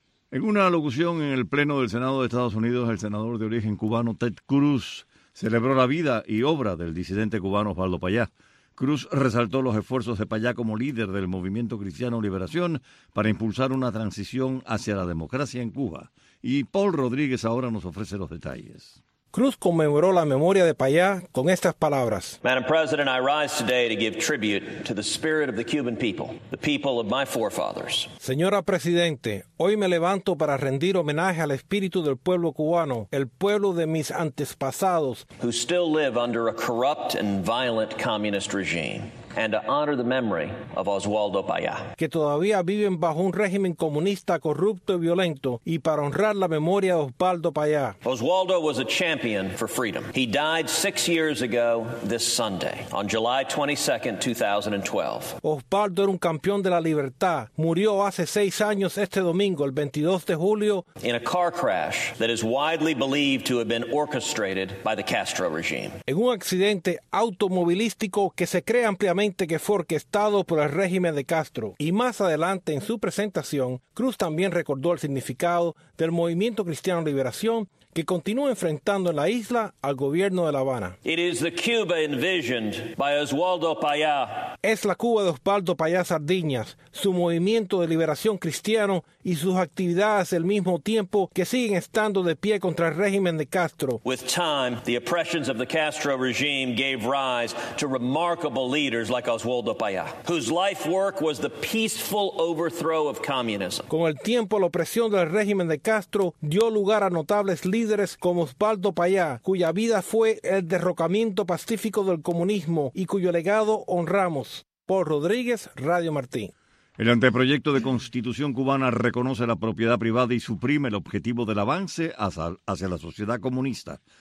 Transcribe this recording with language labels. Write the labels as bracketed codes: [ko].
[es] En una alocución en el Pleno del Senado de Estados Unidos, el senador de origen cubano Ted Cruz celebró la vida y obra del disidente cubano Osvaldo Payá. Cruz resaltó los esfuerzos de Payá como líder del movimiento cristiano Liberación para impulsar una transición hacia la democracia en Cuba. Y Paul Rodríguez ahora nos ofrece los detalles. Cruz conmemoró la memoria de Payá con estas palabras. [en] Madam President, I rise today to give tribute to the spirit of the Cuban people, the people of my forefathers. [es] Señora Presidente, hoy me levanto para rendir homenaje al espíritu del pueblo cubano, el pueblo de mis antepasados, [en] who still live under a corrupt and violent communist regime. and to honor the memory of Oswaldo Payá. [es] Que todavía viven bajo un régimen comunista corrupto y violento, y para honrar la memoria de Oswaldo Payá. [en] Oswaldo was a champion for freedom. He died 6 years ago this Sunday, on July 22nd, 2012. [es] Oswaldo era un campeón de la libertad. Murió hace 6 años este domingo, el 22 de julio. [en] In a car crash that is widely believed to have been orchestrated by the Castro regime. [es] En un accidente automovilístico que se cree ampliamente que fue orquestado por el régimen de Castro. Y más adelante en su presentación, Cruz también recordó el significado del Movimiento Cristiano Liberación que continúa enfrentando en la isla al gobierno de La Habana. [en] It is the Cuba envisioned by Oswaldo Payá. [es] Es la Cuba de Oswaldo Payá Sardiñas, su movimiento de liberación cristiano y sus actividades al mismo tiempo que siguen estando de pie contra el régimen de Castro. [en] With time, the oppressions of the Castro regime gave rise to remarkable leaders like Oswaldo Payá, whose life work was the peaceful overthrow of communism. [es] Con el tiempo, la opresión del régimen de Castro dio lugar a notables líderes como Oswaldo Payá, cuya vida fue el derrocamiento pacífico del comunismo y cuyo legado honramos. Paul Rodríguez, Radio Martí. El anteproyecto de constitución cubana reconoce la propiedad privada y suprime el objetivo del avance hacia la sociedad comunista.